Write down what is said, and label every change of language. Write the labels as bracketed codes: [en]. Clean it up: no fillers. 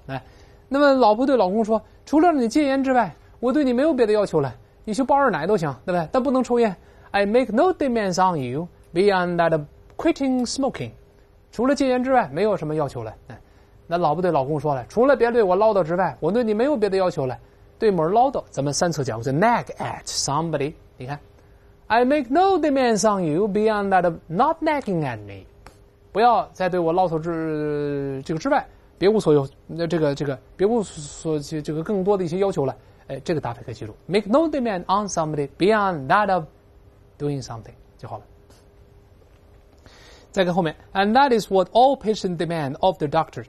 [zh] 来，那么老婆对老公说，除了让你戒烟之外我对你没有别的要求了，你去抱二奶都行，对不对？但不能抽烟。 [en] I make no demands on you beyond that of quitting smoking， [zh] 除了戒烟之外没有什么要求了。那老婆对老公说了，除了别对我唠叨之外我对你没有别的要求了。对某人唠叨咱们三次讲过，就 [en] nag at somebody。 [zh] 你看 [en] I make no demands on you beyond that of not nagging at me， [zh] 不要再对我唠叨这个之外别无所有，别无所这个更多的一些要求了。哎，这个搭配可以记住 [en] ，make no demand on somebody beyond that of doing something [zh] 就好了。再看后面 [en] ，and that is what all patients demand of the doctor。